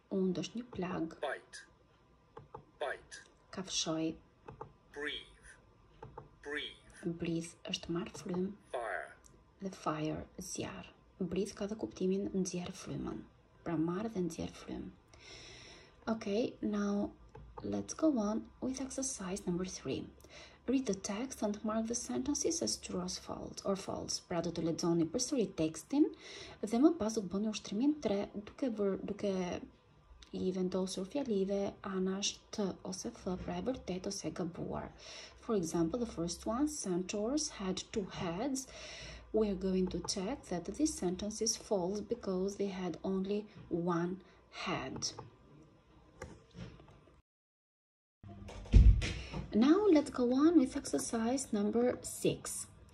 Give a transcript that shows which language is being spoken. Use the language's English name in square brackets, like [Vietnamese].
[Albanian] Und është një plag. [English] Bite. Bite. [Albanian] Kafshoj. [English] Breathe. Breathe. [Albanian] Breathe është marë frym. [English] Fire. The fire, zjarr. [Albanian] Breathe ka dhe kuptimin nxjerr frymën. Pra marr dhe nxjerr frymën. [English] Okay, now let's go on with exercise number 3. Read the text and mark the sentences as true or false. [Albanian] Pra do të lexoni përsëri tekstin dhe më pas do të bëni ushtrimin 3 duke I vendosur fjalive anash t ose f, pra e vërtet ose gabuar. [English] For example, the first one, centaurs had two heads. We are going to check that this sentence is false because they had only one head. Now let's go on with exercise number 6.